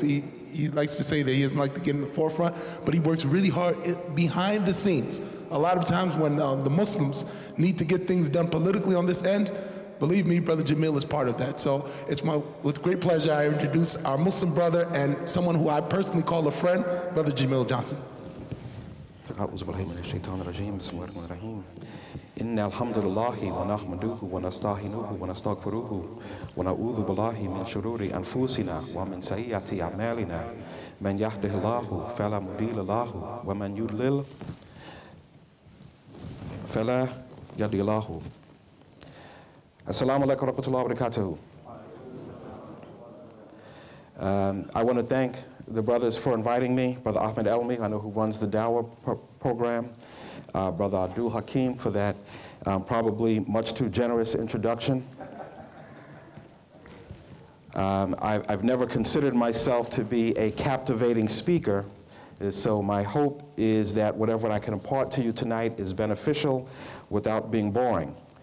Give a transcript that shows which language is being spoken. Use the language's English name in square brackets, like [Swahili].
[English] He likes to say that he doesn't like to get in the forefront, but he works really hard behind the scenes. A lot of times when the Muslims need to get things done politically on this end, believe me, Brother Jameel is part of that. So it's with great pleasure I introduce our Muslim brother and someone who I personally call a friend, Brother Jameel Johnson. [Arabic] أعوذ بالله من الشيطان الرجيم بسم الله الرحمن الرحيم إن الحمد لله ونحمده ونستعينه ونستغفره ونعوذ بالله من شرور أنفسنا ومن سيئات أعمالنا من يهده الله فلا مضل له ومن يضلل فلا هادي له السلام عليكم ورحمة الله وبركاته. [English] I want to thank the brothers for inviting me, Brother Ahmed Elmi, I know who runs the Dawah program, Brother Abdul Hakim for that probably much too generous introduction. I've never considered myself to be a captivating speaker, so my hope is that whatever I can impart to you tonight is beneficial without being boring.